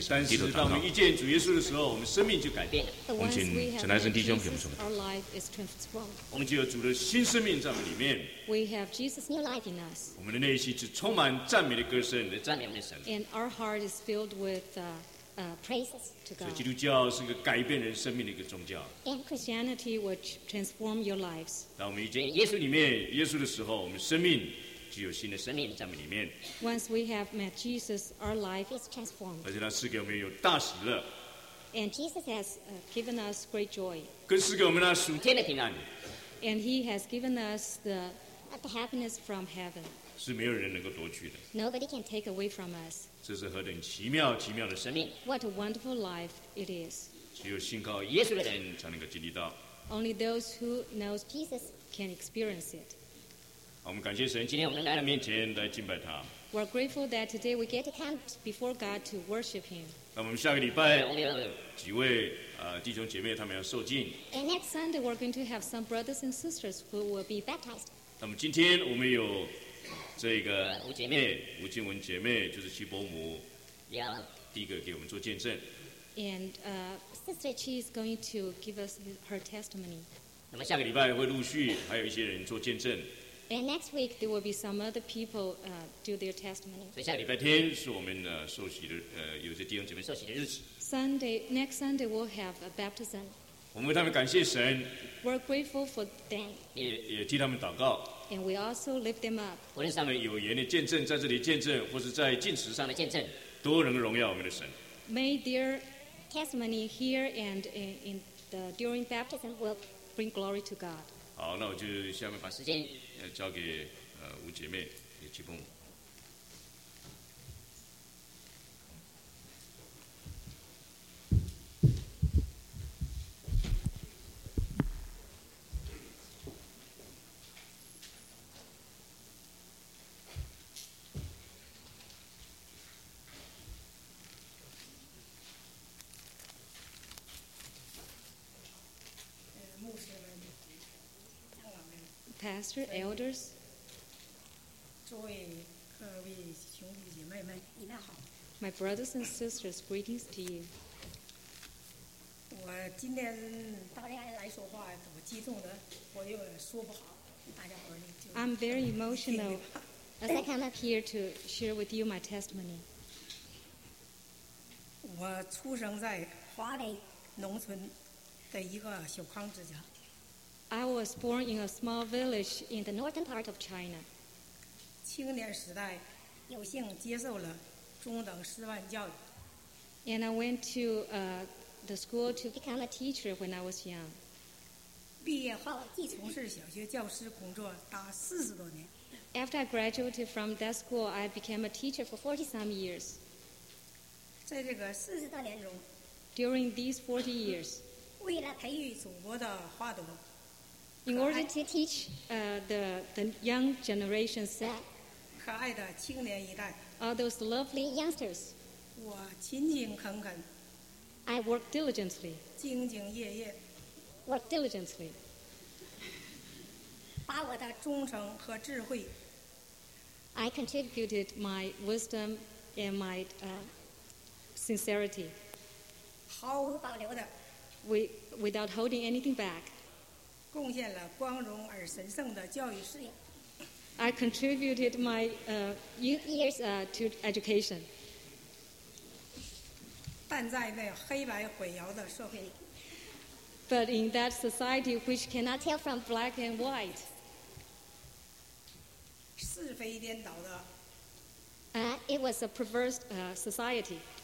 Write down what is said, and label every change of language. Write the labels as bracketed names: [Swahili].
[Chinese] 神，但是当我们遇见主耶稣的时候，我们生命就改变。我们请陈来生弟兄给我们说。 [English] Our life is transformed。 [Chinese] 我们就有主的新生命在我们里面。 [English] We have Jesus' new life in us。 [Chinese] 我们的内心就充满赞美的歌声，来赞美我们的神。 [English] And our heart is filled with praises to God。 [Chinese] 所以基督教是个改变人生命的一个宗教。 [English] And Christianity will transform your lives。 [Chinese] 当我们遇见耶稣里面耶稣的时候，我们生命。就有新的生命在我们里面。 [English] Once we have met Jesus, our life is transformed. [Chinese] 而且他赐给我们有大喜乐。 [English] And Jesus has given us great joy. [Chinese] 更赐给我们那属天的平安。 [English] And He has given us the happiness from heaven. [Chinese] 是没有人能够夺取的。 [English] Nobody can take away from us. [Chinese] 这是何等奇妙奇妙的生命。 [English] What a wonderful life it is. [Chinese] 只有信靠耶稣的人才能够经历到。 [English] Only those who know Jesus can experience it. [Chinese] 我们感谢神，今天我们来到面前来敬拜他。 [English] We're grateful that today we get to come before God to worship Him. [Chinese] 那我们下个礼拜几位弟兄姐妹他们要受浸。 [English] And next Sunday we're going to have some brothers and sisters who will be baptized. [Chinese] 那么今天我们有这个吴静文姐妹，就是七伯母，第一个给我们做见证。 [English] And Sister Chi is going to give us her testimony. [Chinese] 那么下个礼拜会陆续还有一些人做见证。 [English] And next week there will be some other people do their testimony. [Chinese] 所以下礼拜天是我们受洗的有些弟兄姐妹受洗的日子。 [English] Sunday, next Sunday we'll have a baptism. [Chinese] 我们为他们感谢神。 [English] We're grateful for them. [Chinese] 也替他们祷告。 [English] And we also lift them up. [Chinese] 无论他们有言的见证，在这里见证，或是在禁食上的见证，都能荣耀我们的神。 [English] May their testimony here and in the during baptism will bring glory to God. [Chinese] 好，那我就下面把时间交给吴姐妹，给齐凤。 [English] Pastor, elders, [Chinese] 诸位各位兄弟姐妹们，你们好。 [English] My brothers and sisters, greetings to you. [Chinese] 我今天大家来说话，怎么激动的，我又说不好。大家伙儿就 [English] I'm very emotional as I come up here to share with you my testimony. [Chinese] 我出生在华北农村的一个小康之家。 [English] I was born in a small village in the northern part of China. [Chinese] 青年时代有幸接受了中等师范教育。 [English] And I went to the school to become a teacher when I was young. [Chinese] 毕业后即从事小学教师工作达四十多年。 [English] After I graduated from that school, I became a teacher for 40 some years. [Chinese] 在这个四十多年中 [English] ，during these 40 years， [Chinese] 为了培育祖国的花朵。 [English] In order to teach the young generation set, [Chinese] 可爱的青年一代 [English] all those lovely youngsters, [Chinese] 我勤勤恳恳 [English] I work diligently, [Chinese] 兢兢业业 [English] work diligently, [Chinese] 把我的忠诚和智慧 [English] I contributed my wisdom and my sincerity, [Chinese] 毫无保留的 [English] without holding anything back. [Chinese] 贡献了光荣而神圣的教育事业。 [English] I contributed my youth years to education. [Chinese] 但在那黑白混淆的社会里 [English] ，But in that society which cannot tell from black and white， [Chinese] 是非颠倒的。 [English] It was a perverse society.